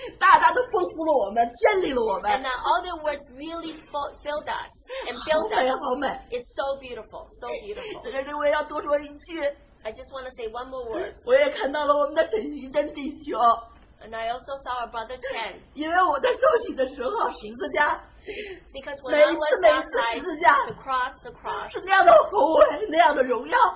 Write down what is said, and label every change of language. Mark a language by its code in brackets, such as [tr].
[zh] 大大地丰富了我们, 建立了我们, [en] and all their words really filled us and built us. [zh] 好美, [en] it's so beautiful, so beautiful. [zh] 在这里我也要多说一句, [en] I just want to say one more word. [zh] 我也看到了我们的陈吉珍弟兄, [en] and I also saw our brother Chen. [zh] 因为我在受洗的时候, 十字架, [en] because when [zh] 每一次十字架, [en] to cross the cross, [zh] 是那样的宏伟, 那样的荣耀,